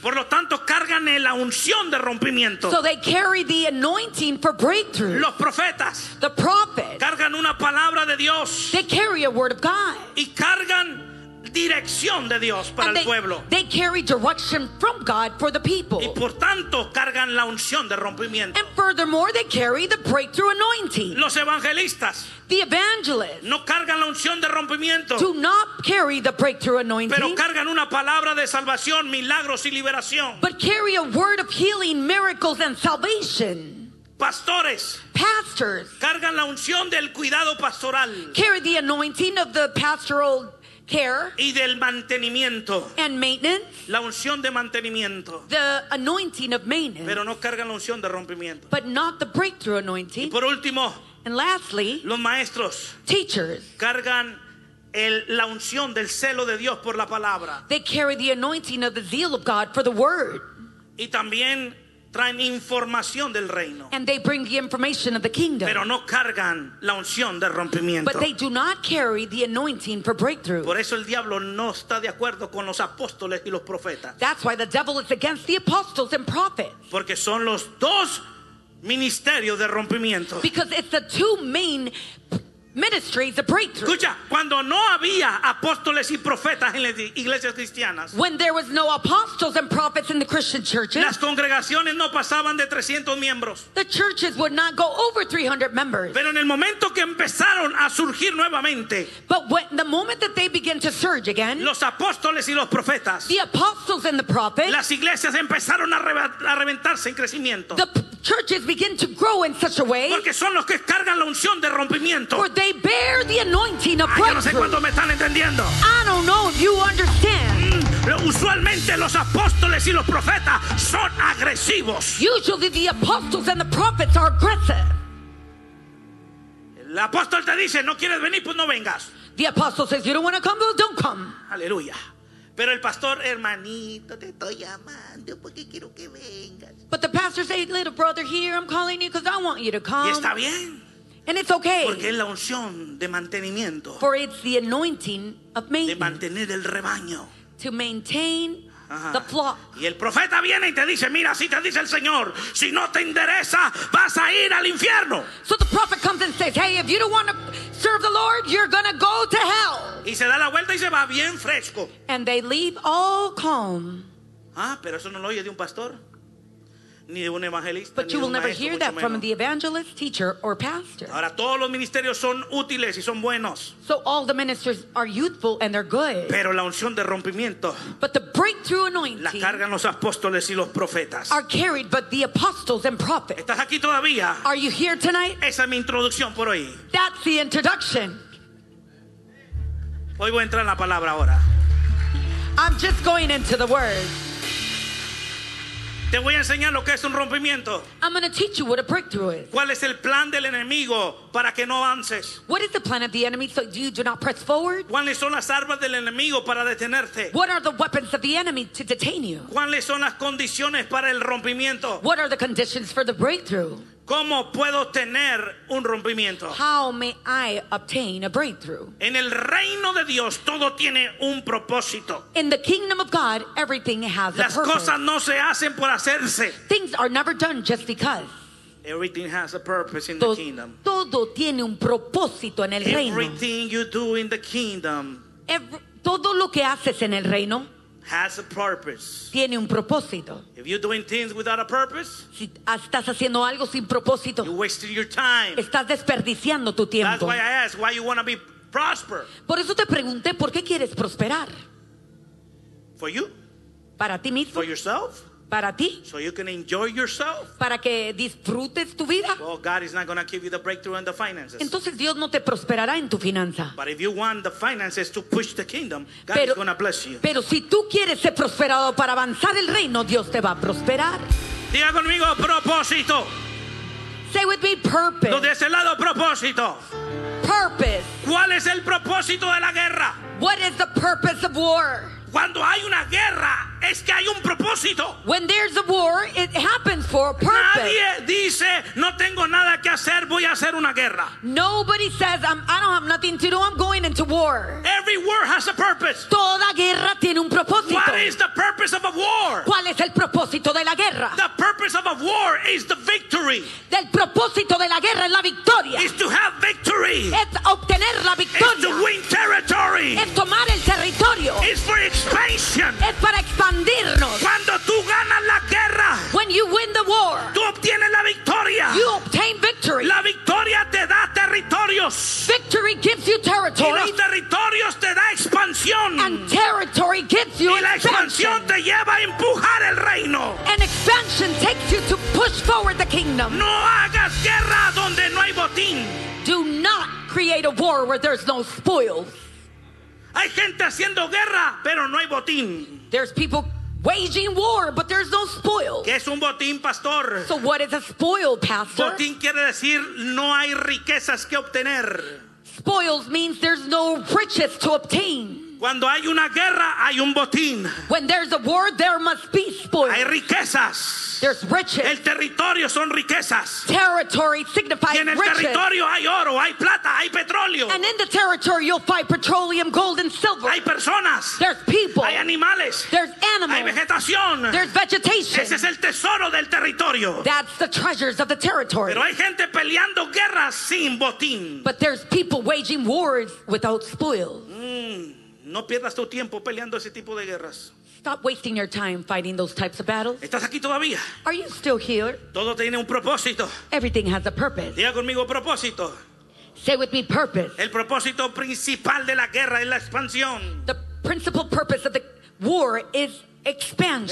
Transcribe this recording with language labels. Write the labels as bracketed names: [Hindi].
[Spanish] Por lo tanto, cargan la unción de rompimiento. [English] So they carry the anointing for breakthrough. [Spanish] Los profetas. [English] The prophets. [Spanish] Cargan una palabra de Dios. [English] They carry a word of God. [Spanish] Y cargan dirección de Dios para el pueblo. [English] They carry direction from God for the people. [Spanish] Y por tanto cargan la unción de rompimiento. [English] And furthermore, they carry the breakthrough anointing. [Spanish] Los evangelistas. [English] The evangelists. [Spanish] No cargan la unción de rompimiento. [English] Do not carry the breakthrough anointing. [Spanish] Pero cargan una palabra de salvación, milagros y liberación. [English] But carry a word of healing, miracles, and salvation. [Spanish] Pastores. [English] Pastors. [Spanish] Cargan la unción del cuidado pastoral. [English] Carry the anointing of the pastoral care. [Spanish] Y del mantenimiento. [English] And maintenance. [Spanish] La unción de mantenimiento. [English] The anointing of maintenance. [Spanish] Pero no cargan la unción de rompimiento. [English] But not the breakthrough anointing. [Spanish] Y por último. [English] And lastly. [Spanish] Los maestros. [English] Teachers. [Spanish] Cargan la unción del celo de Dios por la palabra. [English] They carry the anointing of the zeal of God for the word. [Spanish] Y también traen información del reino. [English] And they bring the information of the kingdom. [Spanish] Pero no cargan la unción de rompimiento. [English] But they do not carry the anointing for breakthrough. [Spanish] Por eso el diablo no está de acuerdo con los apóstoles y los profetas. [English] That's why the devil is against the apostles and prophets. [Spanish] Porque son los dos ministerio de rompimiento. [English] Because it's the two main ministries, the breakthrough. [Spanish] Escucha, cuando no había apóstoles y profetas en las iglesias cristianas. [English] When there was no apostles and prophets in the Christian churches. [Spanish] Las congregaciones no pasaban de 300 miembros. [English] The churches would not go over 300 members. [Spanish] Pero en el momento que empezaron a surgir nuevamente. [English] But when the moment that they began to surge again. [Spanish] Los apóstoles y los profetas. [English] The apostles and the prophets. [Spanish] Las iglesias empezaron a reventarse en crecimiento. [English] The churches begin to grow in such a way. [Spanish] Porque son los que cargan la unción de rompimiento. [English] For they bear the anointing of breakthrough. [Spanish] Yo no sé cuándo me están entendiendo. [English] I don't know if you understand. [Spanish] Usualmente los apóstoles y los profetas son agresivos. [English] Usually the apostles and the prophets are aggressive. [Spanish] El apóstol te dice, no quieres venir, pues no vengas. [English] The apostle says, you don't want to come, well, don't come. [Spanish] Aleluya. Pero el pastor, hermanito, te estoy llamando porque quiero que vengas. [English] But the pastor says, little brother here, I'm calling you because I want you to come. [Spanish] Y está bien. [English] And it's okay. [Spanish] Porque es la unción de mantenimiento. [English] For it's the anointing of maintenance. [Spanish] De mantener el rebaño. [English] To maintain the flock. [Spanish] Y el profeta viene y te dice, mira, así te dice el Señor, si no te enderezas, vas a ir al infierno. [English] So the prophet comes and says, hey, if you don't want to serve the Lord, you're going to go to hell. [Spanish] Y se da la vuelta y se va bien fresco. [English] And they leave all calm. [Spanish] Ah, pero eso no lo oye de un pastor. Ni de un evangelista, [English] but you will never [Spanish] maestro, [English] hear that [Spanish] menos. [English] From the evangelist, teacher, or pastor. [Spanish] Ahora, todos los ministerios son útiles y son buenos. [English] So all the ministers are useful and they're good. [Spanish] Pero la unción de rompimiento, [English] but the breakthrough anointing, [Spanish] la cargan los apóstoles y los profetas, [English] are carried by the apostles and prophets. [Spanish] ¿Estás aquí todavía? [English] Are you here tonight? [Spanish] Esa es mi introducción por hoy. [English] That's the introduction. [Spanish] Hoy voy a entrar en la palabra ahora. [English] I'm just going into the word. [Spanish] Te voy a enseñar lo que es un rompimiento. [English] I'm going to teach you what a breakthrough is. [Spanish] ¿Cuál es el plan del enemigo para que no avances? [English] What is the plan of the enemy so you do not press forward? [Spanish] ¿Cuáles son las armas del enemigo para detenerte? [English] What are the weapons of the enemy to detain you? [Spanish] ¿Cuáles son las condiciones para el rompimiento? [English] What are the conditions for the breakthrough? [Spanish] ¿Cómo puedo tener un rompimiento? [English] How may I obtain a breakthrough? [Spanish] En el reino de Dios todo tiene un propósito. [English] In the kingdom of God everything has a purpose. [Spanish] Las cosas no se hacen por hacerse. [English] Things are never done just because. Everything has a purpose in the kingdom. [Spanish] Todo tiene un propósito en el reino. [English] Everything you do in the kingdom. [Spanish] Todo lo que haces en el reino [English] has a purpose. [Spanish] Tiene un propósito. [English] If you're doing things without a purpose, [Spanish] si estás haciendo algo sin propósito, [English] you're wasting your time. [Spanish] Estás desperdiciando tu tiempo. [English] That's why I asked why you want to be prosper. [Spanish] Por eso te pregunté, ¿por qué quieres prosperar? [English] For you. [Spanish] Para ti mismo. [English] For yourself. [Spanish] Para ti. [English] So you can enjoy yourself. [Spanish] Para que disfrutes tu vida. [English] Well, God is not going to give you the breakthrough in the finances. [Spanish] Entonces Dios no te prosperará en tu finanza. [English] But if you want the finances to push the kingdom, God is going to bless you. [Spanish] Pero si tú quieres ser prosperado para avanzar el reino, Dios te va a prosperar. Diga conmigo propósito. [English] Say with me purpose. [Spanish] Donde es el lado propósito. [English] Purpose. [Spanish] ¿Cuál es el propósito de la guerra? [English] What is the purpose of war? [Spanish] Cuando hay una guerra, es que hay un propósito. [English] When there's a war, it happens for a purpose. [Spanish] Nadie dice, no tengo nada que hacer, voy a hacer una guerra. [English] Nobody says, I don't have nothing to do, I'm going into war. Every war has a purpose. [Spanish] Toda guerra tiene un propósito. [English] What is the purpose of a war? [Spanish] ¿Cuál es el propósito de la guerra? [English] The purpose of a war is the victory. [Spanish] El propósito de la guerra es la victoria. [English] Is to have victory. [Spanish] Es obtener la victoria. [English] Is to win territory. [Spanish] Es tomar el territorio. [English] Is for expansion. [Spanish] Es para expandirnos. Cuando tú ganas la guerra, [English] when you win the war, [Spanish] tú obtienes la victoria. [English] You obtain victory. [Spanish] La victoria te da territorios. [English] Victory gives you territory. [Spanish] Y los territorios te da expansión. [English] And territory gives you expansion. [Spanish] Y la expansión te lleva a empujar el reino. [English] And expansion takes you to push forward the kingdom. [Spanish] No hagas guerra donde no hay botín. [English] Do not create a war where there's no spoils. [Spanish] Hay gente haciendo guerra, pero no hay botín. [English] There's people waging war, but there's no spoil. [Spanish] ¿Qué es un botín, pastor? [English] So what is a spoil, pastor? [Spanish] Botín quiere decir no hay riquezas que obtener. [English] Spoils means there's no riches to obtain. [Spanish] Cuando hay una guerra, hay un botín. [English] When there's a war, there must be spoil. [Spanish] Hay riquezas. [English] There's riches. [Spanish] El territorio son riquezas. [English] Territory signifies riches. [Spanish] Y en el [English] riches. [Spanish] Territorio hay oro, hay plata, hay petróleo. [English] And in the territory you'll find petroleum, gold and silver. [Spanish] Hay personas. [English] There's people. [Spanish] Hay animales. [English] There's animals. [Spanish] Hay vegetación. [English] There's vegetation. [Spanish] Ese es el tesoro del territorio. [English] That's the treasures of the territory. [Spanish] Pero hay gente peleando guerras sin botín. [English] But there's people waging wars without spoil. [Spanish] No pierdas tu tiempo peleando ese tipo de guerras. [English] Stop wasting your time fighting those types of battles. [Spanish] ¿Estás aquí todavía? [English] Are you still here? [Spanish] Todo tiene un propósito. [English] Everything has a purpose. [Spanish] Diga conmigo propósito. [English] Say with me purpose. [Spanish] El propósito principal de la guerra es la expansión. [English] The principal purpose of the war is expansion.